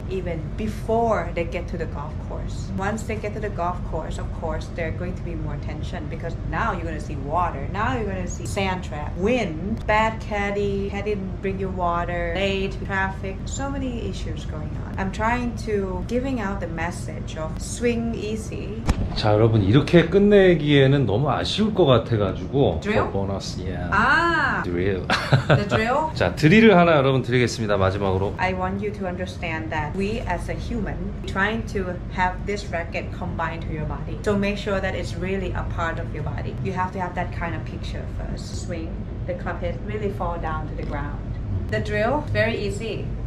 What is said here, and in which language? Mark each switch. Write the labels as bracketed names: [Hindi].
[English] Even before they get to the golf course. Once they get to the golf course, of course there's going to be more tension because now you're gonna see water. Now you're gonna see sand trap, wind, bad caddy, caddy didn't bring you water, late, traffic, so many issues going on. I'm trying to giving out the message of swing easy. [Korean] 자 여러분 이렇게 끝내기에는 너무 아쉬울 것 같아가지고. [English] Drill? For bonus, yeah. Ah. Drill. The drill. [Korean] 자 드릴을 하나 여러분 드리겠습니다. 마지막으로. [English] I want you to understand that we as a human trying to have this racket combined to your body. So make sure that it's really a part of your body. You have to have that kind of picture first. Swing, the club head really fall down to the ground. The drill, very easy.